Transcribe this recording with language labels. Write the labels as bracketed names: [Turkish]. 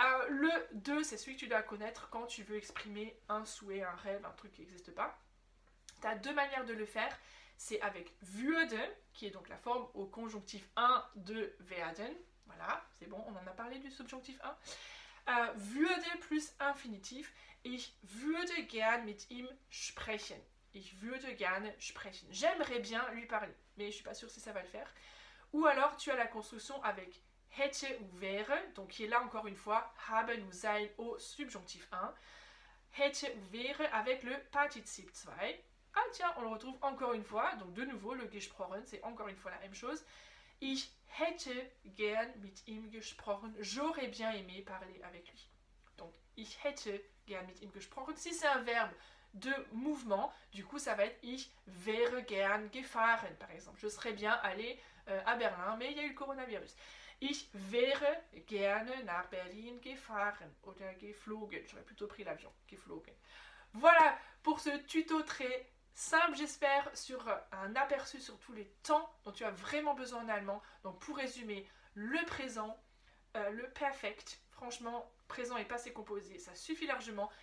[French] Le 2, c'est celui que tu dois connaître quand tu veux exprimer un souhait, un rêve, un truc qui n'existe pas. Tu as deux manières de le faire. C'est avec würde, qui est donc la forme au conjonctif 1 de werden. Voilà, c'est bon, on en a parlé du subjonctif 1. [German] Würde [French] plus infinitif, [German] ich würde gern mit ihm sprechen. Ich würde gern sprechen. [French] J'aimerais bien lui parler, mais je suis pas sûre si ça va le faire. Ou alors tu as la construction avec hätte ou wäre, donc qui est là encore une fois haben ou sein au subjonctif 1. Hätte ou wäre avec le participe 2. Ah tiens, on le retrouve encore une fois, donc de nouveau le gesprochen, c'est encore une fois la même chose. [German] Ich hätte gern mit ihm gesprochen. [French] J'aurais bien aimé parler avec lui. Donc, [German] ich hätte gern mit ihm gesprochen. [French] Si c'est un verbe de mouvement, du coup, ça va être [German] ich wäre gern gefahren, [French] par exemple. Je serais bien allé à Berlin, mais il y a eu le coronavirus. [German] Ich wäre gerne nach Berlin gefahren. Oder geflogen. [French] J'aurais plutôt pris l'avion. Geflogen. Voilà pour ce tuto très simple, j'espère, sur un aperçu sur tous les temps dont tu as vraiment besoin en allemand. Donc, pour résumer, le présent, le perfect, franchement, présent et passé composé, ça suffit largement.